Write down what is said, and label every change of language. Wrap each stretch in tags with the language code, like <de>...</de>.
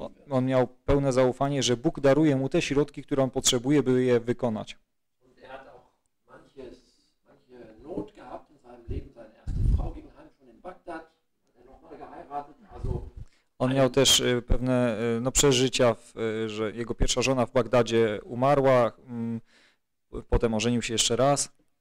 <pl>On miał pełne zaufanie, że Bóg daruje mu te środki, które on potrzebuje, by je wykonać.</pl> <de>Manches, Not in Leben, seine erste Frau ging heim, schon in Bagdad, er noch mal geheiratet, also</de> <pl>On miał też pewne no, przeżycia, że jego pierwsza żona w Bagdadzie umarła, potem ożenił się jeszcze raz.</pl>